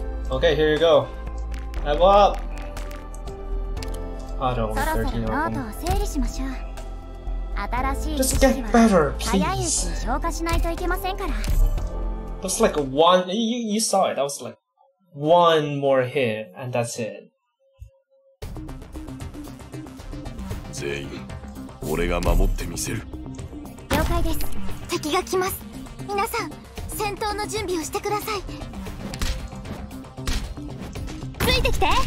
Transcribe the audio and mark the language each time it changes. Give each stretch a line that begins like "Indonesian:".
English: Okay, here you go. Level up. I don't want 13 of them.
Japanese: ノートを整理しましょう。新しい知識は早いうちに消化しないといけませんから。
English: That's like one. You saw it. That was like one more hit, and that's it.
Japanese: 全員、俺が守ってみせる。了解です。敵が来ます。皆さん、戦闘の準備をしてください。ついてきて。